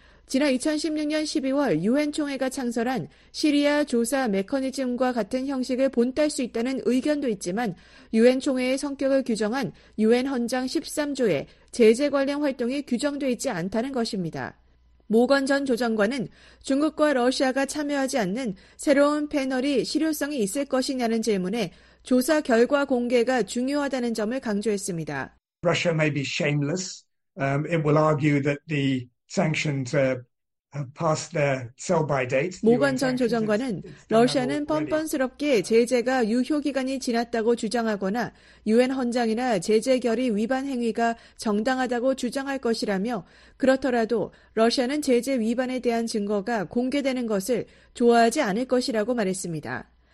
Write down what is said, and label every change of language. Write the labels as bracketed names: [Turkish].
[Korean] 지난 2016년 12월 유엔 총회가 창설한 시리아 조사 메커니즘과 같은 형식을 본딸 수 있다는 의견도 있지만 유엔 총회의 성격을 규정한 유엔 헌장 13조에 제재 관련 활동이 규정되어 있지 않다는 것입니다. 모건 전 조정관은 중국과 러시아가 참여하지 않는 새로운 패널이 실효성이 있을 것이냐는 질문에 조사 결과 공개가 중요하다는 점을 강조했습니다. [English] Russia may be shameless. It will argue that the sanctions passed their sell-by date. [Korean] 모건 전 조정관은 러시아는 뻔뻔스럽게 제재가 유효 기간이 지났다고 주장하거나 유엔 헌장이나 제재 결의 위반 행위가 정당하다고 주장할 것이라며 그렇더라도 러시아는 제재 위반에 대한 증거가 공개되는 것을 좋아하지 않을 것이라고 말했습니다.